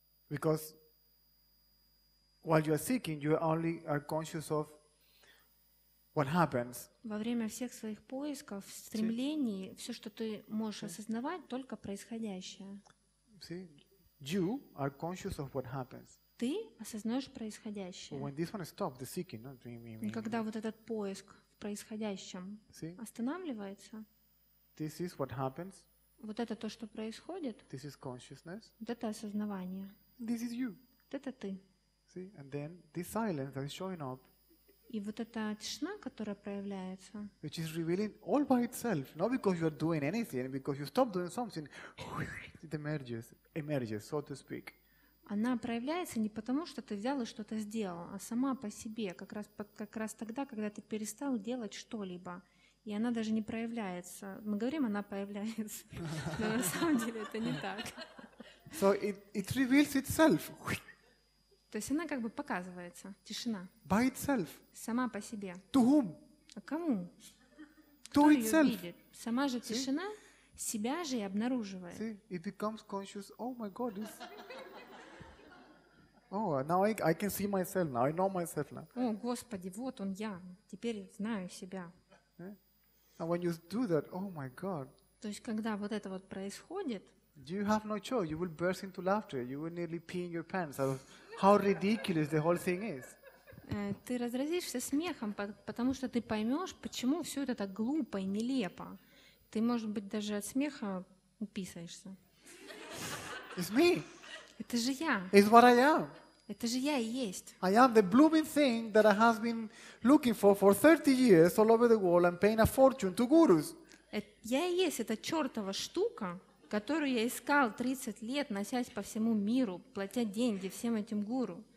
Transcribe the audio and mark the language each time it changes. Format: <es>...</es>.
<en>Because while you are seeking, you only are conscious of what happens.</en> <ru>Во время всех своих поисков, стремлений, все, что ты можешь осознавать, только происходящее.</ru> <en>See, you are conscious of what happens.</en> <ru>Ты осознаешь происходящее.</ru> <en>When this one stops, the seeking, not dreaming.</en> <ru>Когда вот этот поиск в происходящем останавливается,</ru> <en>this is what happens.</en> <ru>Вот это то, что происходит.</ru> <en>This is consciousness.</en> <ru>Вот это осознавание.</ru> <en>This is you.</en> <ru>Вот это ты.</ru> <en>See, and then this silence that is showing up.</en> <ru>И вот эта тишина, которая проявляется.</ru> <en>Which is revealing all by itself, not because you are doing anything, because you stop doing something, it emerges, so to speak.</en> <ru>Она проявляется не потому, что ты взял и что-то сделал, а сама по себе, как раз тогда, когда ты перестал делать что-либо. И она даже не проявляется. Мы говорим, она появляется, но на самом деле это не так.</ru> <en>So it reveals itself.</en> <ru>То есть она как бы показывается, тишина.</ru> <en>By itself.</en> <ru>Сама по себе.</ru> <en>To whom?</en> <ru>А кому?</ru> <en>To</en> <ru>кто</ru> <en>itself.</en> <ru>Видит? Сама же тишина</ru> <en>See?</en> <ru>Себя же и обнаруживает.</ru> <en>See, it becomes conscious. Oh my God, this. Oh, now I can see myself now. I know myself now.</en> <ru>О, Господи, вот он я. Теперь знаю себя.</ru> <en>And when you do that, oh my God.</en> <ru>То есть когда вот это вот происходит.</ru> <en>Do you have no choice? You will burst into laughter. You will nearly pee in your pants. How ridiculous the whole thing is.</en> <ru>Ты разразишься смехом, потому что ты поймешь, почему все это так глупо и нелепо. Ты, может быть, даже от смеха уписаешься.</ru> <en>It's me.</en> <ru>Это же я.</ru> <en>It's what I am.</en> <ru>Это же я и есть.</ru> <en>I am the blooming thing that I have been looking for 30 years all over the world and paying a fortune to gurus.</en> <ru>Я и есть эта чертова штука, которую я искал 30 лет, носясь по всему миру, платя деньги всем этим гуру.</ru>